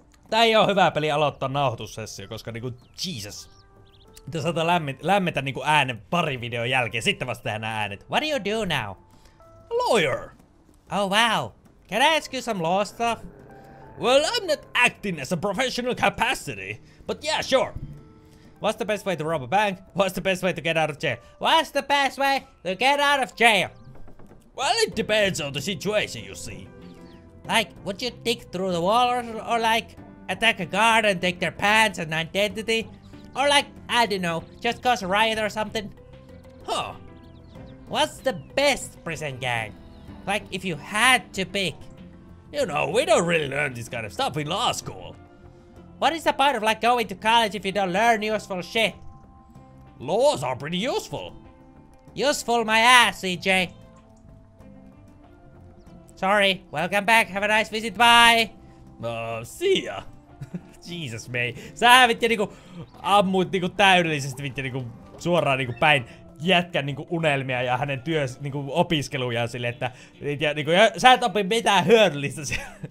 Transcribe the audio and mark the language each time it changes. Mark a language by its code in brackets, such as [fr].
[fi] Tää ei oo hyvä peli aloittaa nauhoitussessio, koska niinku, Jesus. Te saatte lämmetä niinku äänen pari videon jälkeen, sitten vasta tehdään äänet. [en] What do you do now? A lawyer. Oh wow. Can I ask you some law stuff? Well, I'm not acting as a professional capacity, but yeah, sure. What's the best way to rob a bank? What's the best way to get out of jail? What's the best way to get out of jail? Well, it depends on the situation, you see. Like, would you dig through the wall or like, attack a guard and take their pants and identity? Or like, I don't know, just cause a riot or something? Huh. What's the best prison gang? Like, if you had to pick. You know, we don't really learn this kind of stuff in law school. What is the point of, like, going to college if you don't learn useful shit? Laws are pretty useful. Useful my ass, EJ. Sorry, welcome back, have a nice visit, bye! See ya! Jesus, mei. [fi] Sä hävit ja niinku ammuit niinku täydellisesti vittu niinku suoraan niinku päin jätkän niinku unelmia ja hänen työs niinku opiskelujaan sille, että niinku sä et opi mitään hyödyllistä siellä.